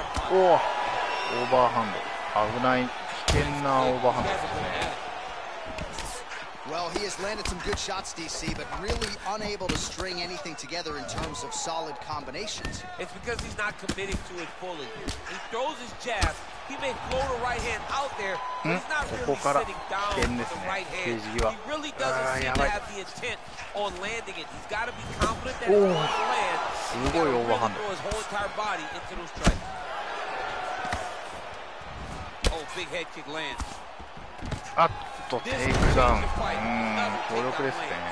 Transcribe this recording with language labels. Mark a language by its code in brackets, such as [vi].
[ja] おオーバーハンド、危ない、危険なオーバーハンドですね。 [en] Well, he has landed some good shots, DC, but really unable to string anything together in terms of solid combinations. It's because he's not committing to it fully. He throws his jab. He may throw the right hand out there, but he's not really sitting down with the right hand. He really doesn't seem to have the intent on landing it. He's got to be confident that he's going to land. [ja] すごいオーバーハンド。 [en] Throw his whole entire body into those strikes. Oh, big head kick lands. [ja] あっ。とテイクダウン、強力ですね。